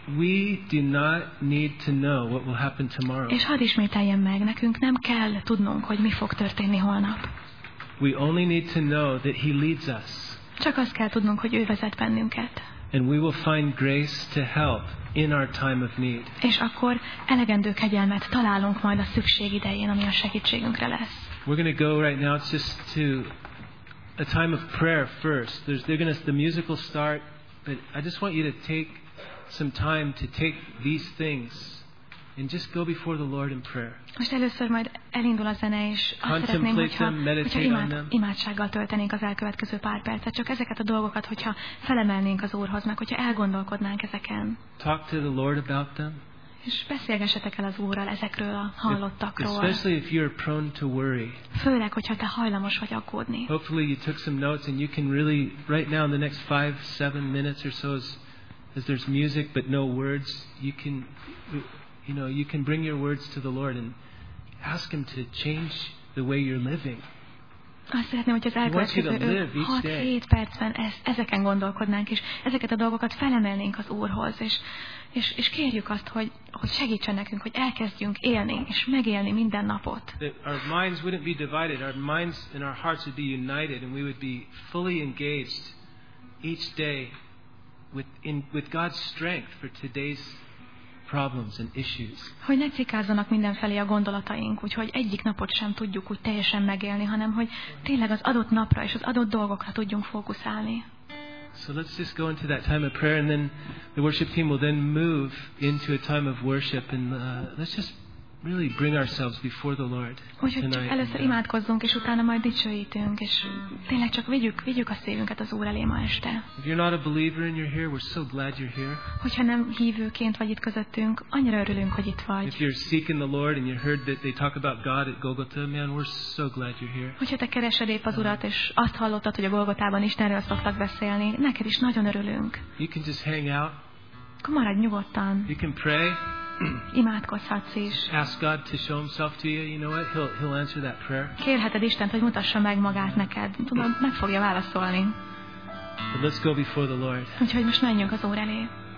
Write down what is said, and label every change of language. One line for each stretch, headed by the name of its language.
English: We do not need to know what will happen tomorrow.
Hungarian: És hadd ismételjem meg, nekünk nem kell tudnunk, hogy mi fog történni holnap.
English: We only need to know that he leads us.
Hungarian: Csak azt kell tudnunk, hogy ő vezet bennünket.
English: And we will find grace to help in our time of need.
Hungarian: És akkor elegendő kegyelmet találunk majd a szükség idején, ami a segítségünkre lesz.
English: We're going to go right now, it's just to a time of prayer first. The music will start, but I just want you to take some time to take these things and just go before the Lord in prayer.
Hungarian: Most először majd elindul a zene, és azt szeretném, hogyha imádsággal töltenénk az elkövetkező pár percet. Csak ezeket a dolgokat, hogyha felemelnénk az Úrhoz, meg hogyha elgondolkodnánk ezeken.
English: Talk to the Lord about them.
Hungarian: És beszélgessetek el az Úrral ezekről a hallottakról.
English: Especially if you're prone to worry.
Hungarian: Főleg, hogyha te hajlamos vagy aggódni.
English: Hopefully you took some notes and you can really, right now in the next 5-7 minutes or so, as there's music but no words, you can bring your words to the Lord and ask him to change the way you're living.
Hungarian: Azt szeretném, hogy az elkövetkező 6-7 percben ezeken gondolkodnánk, és ezeket a dolgokat felemelnénk az Úrhoz, és kérjük azt, hogy segítsen nekünk, hogy elkezdjünk élni és megélni minden napot.
English: That our minds wouldn't be divided, our minds and our hearts would be united, and we would be fully engaged each day with God's strength for today's problems and issues.
Hungarian: Hogy ne cikázzanak mindenfelé a gondolataink, úgyhogy egyik napot sem tudjuk úgy teljesen megélni, hanem hogy tényleg az adott napra és az adott dolgokra tudjunk fókuszálni.
English: So let's just go into that time of prayer, and then the worship team will then move into a time of worship, and let's just really bring ourselves before the Lord.
Hungarian: Úgyhogy először imádkozzunk, és utána majd dicsőítünk, és tényleg csak vigyük a szívünket az Úr elé ma este.
English: If you're not a believer and you're here, we're so glad you're here.
Hungarian: Hogyha nem hívőként vagy itt közöttünk, annyira örülünk, hogy itt vagy.
English: If you're seeking the Lord and you heard that they talk about God at Golgotha, man, we're so glad you're here.
Hungarian: Hogyha te keresed épp az Urat, és azt hallottad, hogy a Golgotában Istenről szoktak beszélni, neked is nagyon örülünk.
English: You can just hang out.
Hungarian: Akkor maradj nyugodtan.
English: You can pray.
Hungarian: Imádkozhatsz is.
English: Ask God to show himself to you. You know what? He'll answer that prayer.
Hungarian: Kérheted Istent, hogy mutassa meg magát neked. Tudod, meg fogja válaszolni.
English: But let's go before the Lord.
Hungarian: Úgyhogy most menjünk az Úr elé.